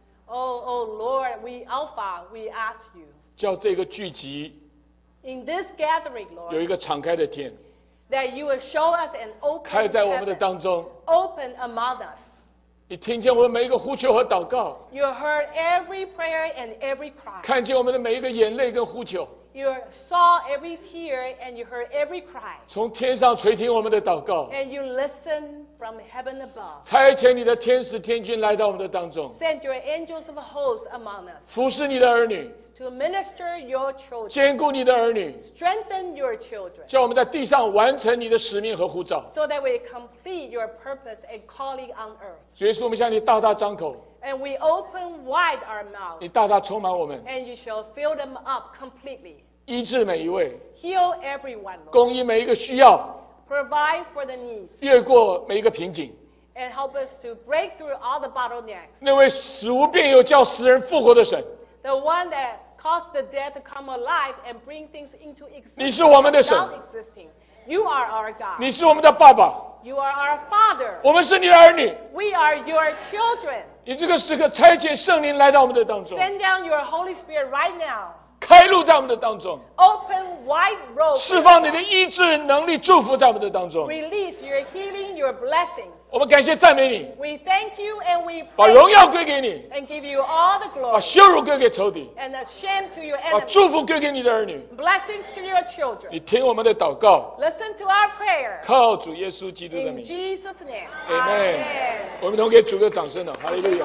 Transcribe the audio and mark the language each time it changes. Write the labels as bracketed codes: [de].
[en] Oh Lord, we Alpha, we ask you. [zh] 叫这个聚集 [en] In this gathering, Lord, [zh] 有一个敞开的天 [en] that you will show us an open heaven. [zh] 开在我们的当中 [en] open among us. [zh] 你听见我们每一个呼求和祷告 [en] you heard every prayer and every cry. [zh] 看见我们的每一个眼泪跟呼求 [en] You saw every tear and you heard every cry. [zh] 从天上垂听我们的祷告。 [en] And you listen from heaven above. [zh] 差遣你的天使天君来到我们的当中。 [en] Send your angels of hosts among us. [zh] 服侍你的儿女。 [en] To minister your children. [zh] 坚固你的儿女。 [en] Strengthen your children. [zh] 叫我们在地上完成你的使命和呼召。 [en] So that we complete your purpose and calling on earth. [zh] 主耶稣，我们向你大大张口。 [en] And we open wide our mouth. [zh] 你大大充满我们。 [en] And you shall fill them up completely. [zh] 医治每一位。 [en] Heal everyone. [zh] 供应每一个需要。 [en] Provide for the needs. [zh] 越过每一个瓶颈。 [en] And help us to break through all the bottlenecks. [zh] 那位死无病又叫死人复活的神。 [en] The one that caused the dead to come alive and bring things into existence. [zh] 你是我们的神。 [en] You are our God. [zh] 你是我们的爸爸。 [en] You are our father. [zh] 我们是你的儿女。 [en] We are your children. [zh] 你这个时刻差遣圣灵来到我们的当中。 [en] Send down your Holy Spirit right now. [zh] 开路在我们的当中。 [en] Open wide roads. [zh] 释放你的医治能力祝福在我们的当中。 [en] Release your healing, your blessings. [zh] 我们感谢赞美你。 [en] We thank you and we praise. [zh] 把荣耀归给你。 [en] And give you all the glory. [zh] 把羞辱归给仇敌。 [en] And a shame to your enemies. [zh] 把祝福归给你的儿女。 [en] Blessings to your children. [zh] 你听我们的祷告。 [en] Listen to our prayer. [zh] 靠主耶稣基督的名。 [en] In Jesus' name. [zh] Amen. 我们同给主个掌声了。哈利路亚。